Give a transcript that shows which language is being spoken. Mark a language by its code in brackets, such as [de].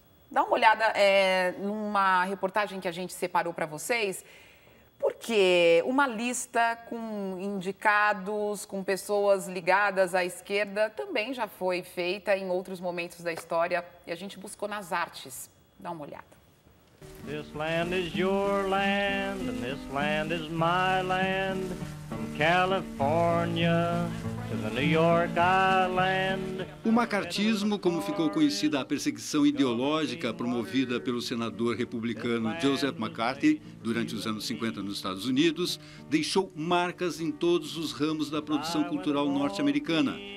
[pt] Dá uma olhada numa reportagem que a gente separou para vocês. Porque uma lista com indicados, com pessoas ligadas à esquerda, também já foi feita em outros momentos da história e a gente buscou nas artes. Dá uma olhada. [en] This land is your land, and this land is my land. From California to the New York Island. [pt] O macartismo, como ficou conhecida a perseguição ideológica promovida pelo senador republicano Joseph McCarthy durante os anos 50 nos Estados Unidos, deixou marcas em todos os ramos da produção cultural norte-americana.